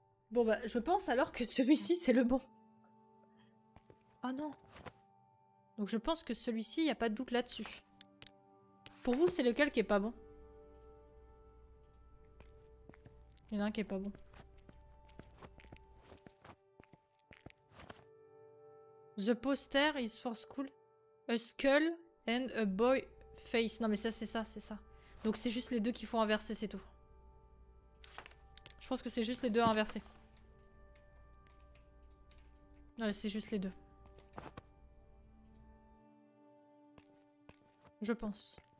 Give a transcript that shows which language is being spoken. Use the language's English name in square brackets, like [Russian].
[French] Bon, bah, je pense alors que celui-ci, c'est le bon. Ah non. Donc, je pense que celui-ci, il n'y a pas de doute là-dessus. Pour vous, c'est lequel qui est pas bon? Il y en a un qui est pas bon. [English] The poster is for school. A skull and a boy face. [French] Non mais ça, c'est ça, c'est ça. Donc c'est juste les deux qu'il faut inverser, c'est tout. Je pense que c'est juste les deux à inverser. Non, c'est juste les deux. Je pense.